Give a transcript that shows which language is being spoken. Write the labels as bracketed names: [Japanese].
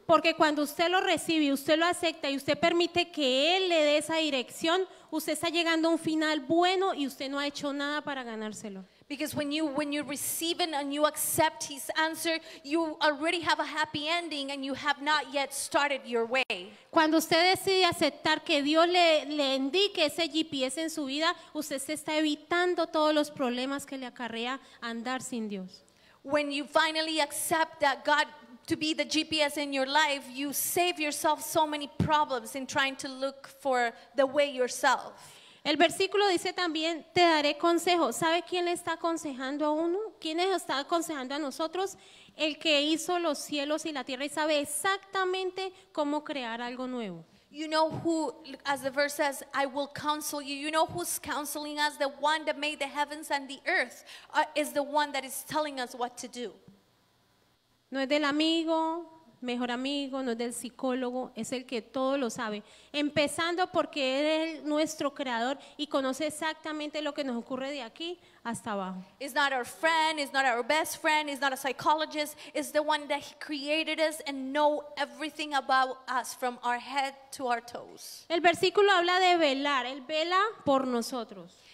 [Spanish] Porque cuando usted lo recibe, usted lo acepta y usted permite que él le dé esa dirección, usted está llegando a un final bueno y usted no ha hecho nada para ganárselo. [English] Because when you receive it and you accept his answer, you already have a happy ending and you have not yet started your way. [Spanish] Cuando usted decide aceptar que Dios le indique ese GPS en su vida, usted se está evitando todos los problemas que le acarrea andar sin Dios. [English] When you finally accept that God to be the GPS in your life, you save yourself so many problems in trying to look for the way yourself. [Spanish] El versículo dice también, te daré consejo. ¿Sabe quién le está aconsejando a uno? ¿Quién está aconsejando a nosotros? El que hizo los cielos y la tierra y sabe exactamente cómo crear algo nuevo. [English] You know who, as the verse says, I will counsel you. You know who's counseling us? The one that made the heavens and the earth is the one that is telling us what to do. [Spanish] No es del amigo, mejor amigo, no es del psicólogo, es el que todo lo sabe. Empezando porque él es nuestro creador y conoce exactamente lo que nos ocurre de aquí hasta abajo. [English] It's not our friend, it's not our best friend, it's not a psychologist, it's the one that he created us and know everything about us from our head to our toes. [Spanish] El versículo habla de velar, él vela por nosotros.